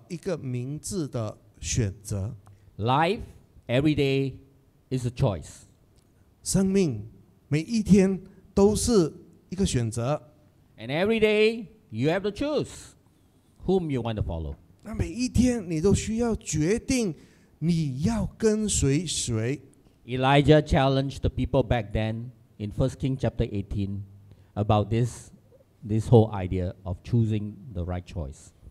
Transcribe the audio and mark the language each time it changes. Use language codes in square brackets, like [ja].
[zh] 那我们需要做的是一个明智的选择。 [en] Life every day is a choice. [zh] 生命每一天都是一个选择。 [en] And every day you have to choose whom you want to follow. [zh] 那每一天你都需要决定你要跟随谁。 [en] Elijah challenged the people back then in 1 Kings chapter 18 about this whole idea of choosing the right choice.